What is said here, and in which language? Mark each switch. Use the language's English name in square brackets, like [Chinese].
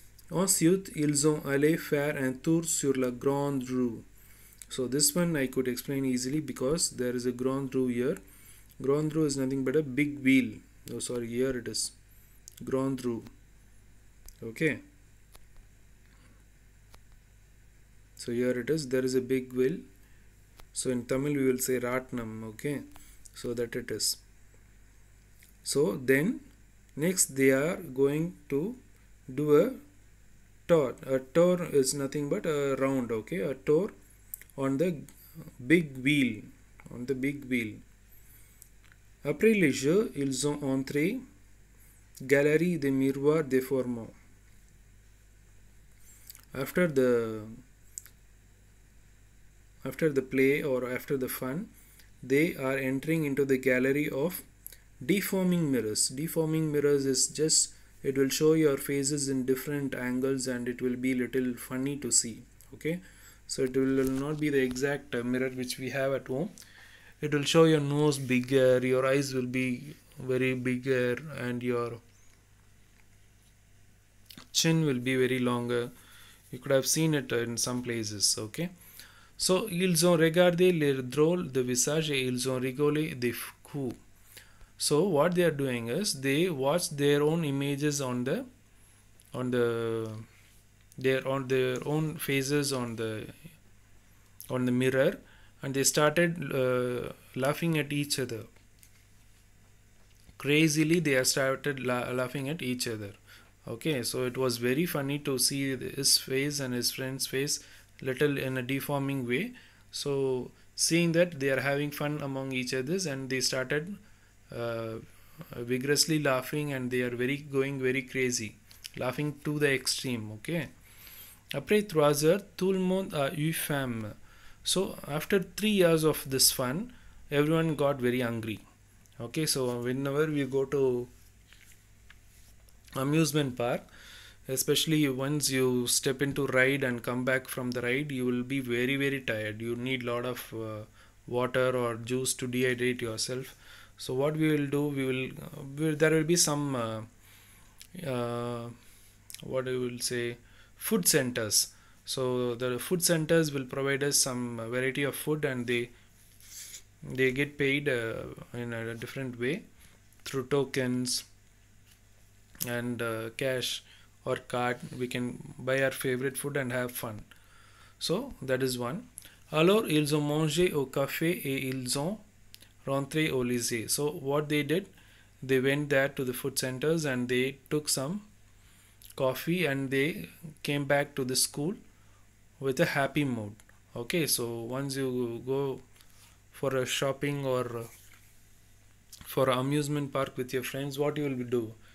[French] Ensuite, ils ont allé faire un tour sur la grande roue. [English] So this one I could explain easily because there is a grande roue here. Grande roue is nothing but a big wheel. Oh sorry, here it is. Grande roue. Okay. So here it is. There is a big wheel. So in Tamil we will say Ratnam. Okay, so that it is. So then next they are going to do a tour. A tour is nothing but a round. Okay, a tour on the big wheel. On the big wheel. [French] Après le jeu, ils ont entré galerie des miroirs déformants. [English] After the play or after the fun, they are entering into the gallery of deforming mirrors. Deforming mirrors is just It will show your faces in different angles and it will be a little funny to see. Okay, so it will not be the exact mirror which we have at home. It will show your nose bigger, your eyes will be very bigger, and your chin will be very longer. You could have seen it in some places. Okay, so [French] ils ont regardé les drôles de visage et ils ont rigolé de fou. [English] So what they are doing is they watch their own images on the mirror, and they started laughing at each other. Crazily, they started laughing at each other. Okay, so it was very funny to see his face and his friend's face little in a deforming way. So seeing that, they are having fun among each other, and they started vigorously laughing, and they are going very crazy, laughing to the extreme. [French] Okay, après 3 heures, tout le monde a eu faim. [English] So after 3 hours of this fun, everyone got very hungry. Okay, so whenever we go to amusement park, especially once you step into ride and come back from the ride, you will be very very tired. You need lot of water or juice to dehydrate yourself. So what we will do, there will be some food centers. So the food centers will provide us some variety of food, and they get paid in a different way through tokens and cash or card. We can buy our favorite food and have fun. So that is one. [French] Alors ils ont mangé au café et ils ont rentré au lycée. [English] So what they did, they went there to the food centers and they took some coffee and they came back to the school with a happy mood. Okay, so once you go for a shopping or for amusement park with your friends, what you will do?